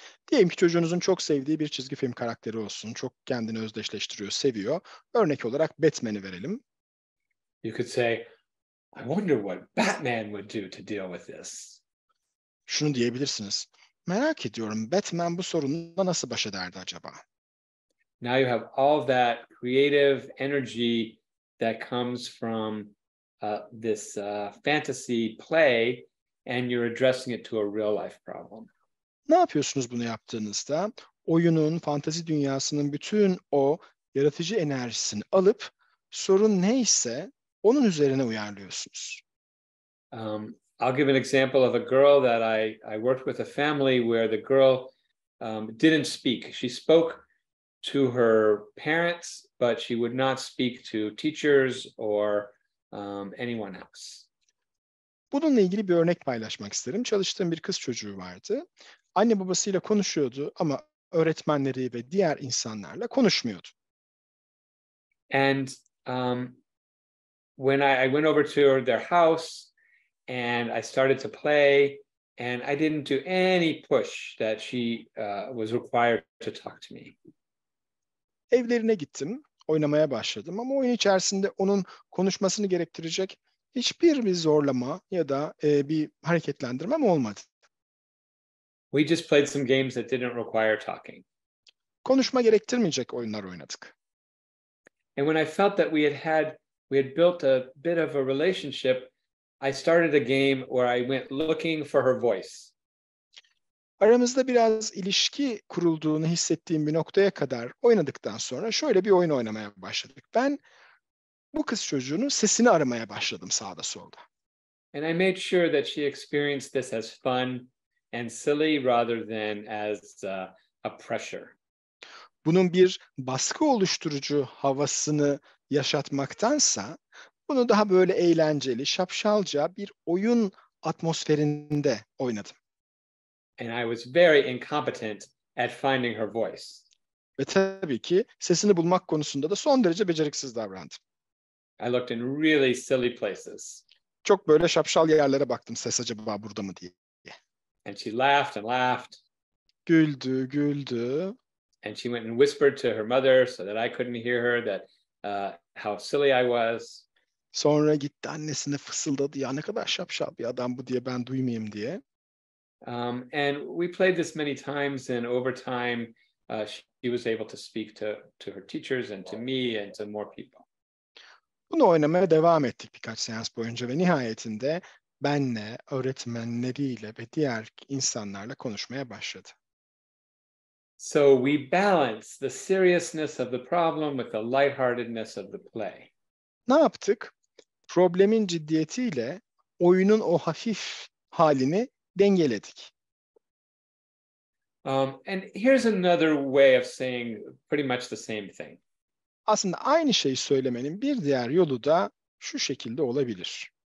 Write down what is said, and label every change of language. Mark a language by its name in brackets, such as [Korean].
[Turkish] Diyelim ki çocuğunuzun çok sevdiği bir çizgi film karakteri olsun. Çok kendini özdeşleştiriyor, seviyor. Örnek olarak Batman'i verelim. [English] You could say, I wonder what Batman would do to deal with this. [Turkish] Şunu diyebilirsiniz. Merak ediyorum, Batman bu sorunla nasıl baş ederdi acaba? [English] Now you have all that creative energy that comes from this fantasy play and you're addressing it to a real life problem. [Turkish] Ne yapıyorsunuz bunu yaptığınızda? Oyunun, fantezi dünyasının bütün o yaratıcı enerjisini alıp sorun neyse onun üzerine uyarlıyorsunuz. [English] I'll give an example of a girl that I worked with a family where the girl didn't speak. She spoke to her parents, but she would not speak to teachers or anyone else. [Turkish] Bununla ilgili bir örnek paylaşmak isterim. Çalıştığım bir kız çocuğu vardı. Anne babasıyla konuşuyordu ama öğretmenleri ve diğer insanlarla konuşmuyordu. [English] And when I went over to their house and I started to play and I didn't do any push that she was required to talk to me. [Turkish] Evlerine gittim, oynamaya başladım ama oyun içerisinde onun konuşmasını gerektirecek hiçbir bir zorlama ya da bir hareketlendirmem olmadı. [English] We just played some games that didn't require talking. [Turkish] Konuşma gerektirmeyecek oyunlar oynadık. [English] And when I felt that we had built a bit of a relationship, I started a game where I went looking for her voice. [Turkish] Aramızda biraz ilişki kurulduğunu hissettiğim bir noktaya kadar oynadıktan sonra şöyle bir oyun oynamaya başladık. Ben bu kız çocuğunun sesini aramaya başladım sağda solda. [English] And I made sure that she experienced this as fun and silly rather than as a pressure. [Turkish] Bunun bir baskı oluşturucu havasını yaşatmaktansa bunu daha böyle eğlenceli, şapşalca bir oyun atmosferinde oynadım. [English] And I was very incompetent at finding her voice. [Turkish] Ve tabii ki sesini bulmak konusunda da son derece beceriksiz davrandım. [English] I looked in really silly places. [Turkish] Çok böyle şapşal yerlere baktım, ses acaba burada mı diye. [English] And she laughed and laughed. [Turkish] Güldü, güldü. [English] And she went and whispered to her mother so that I couldn't hear her that how silly I was. [Turkish] Sonra gitti annesine fısıldadı, ya ne kadar şapşal bir adam bu diye, ben duymayayım diye. [English] And we played this many times and over time she was able to speak to her teachers and to me and to more people. [Turkish] Bunu oynamaya devam ettik birkaç seans boyunca ve nihayetinde benle, öğretmenleriyle ve diğer insanlarla konuşmaya başladı. [English] So we balance the seriousness of the problem with the lightheartedness of the play. [Turkish] Ne yaptık? Problemin ciddiyetiyle oyunun o hafif halini dengeledik. [English] And here's another way of saying pretty much the same thing. [Turkish] Aslında aynı şeyi söylemenin bir diğer yolu da şu şekilde olabilir.